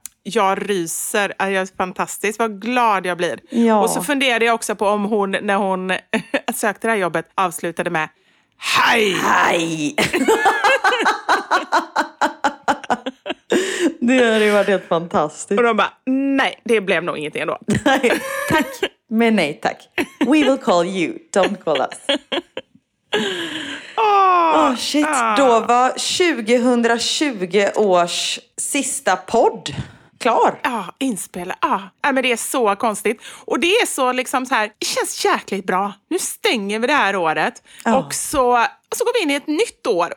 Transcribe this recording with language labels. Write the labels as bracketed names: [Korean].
[Swedish] Jag ryser, jag är fantastiskt, vad glad jag blir. Ja. Och så funderade jag också på om hon, när hon sökte det här jobbet, avslutade med hej! Hej! Det hade varit helt fantastiskt. Och de bara, nej, det blev nog ingenting ändå. Nej, tack. Men nej, tack. [English] We will call you, don't call us. [Swedish] Åh, oh, shit, då var 2020 års sista podd. Klar. Ja, inspela. Ja. Ja, men det är så konstigt. Och det är så liksom så här, det känns jäkligt bra. Nu stänger vi det här året. Ja. Och så går vi in i ett nytt år.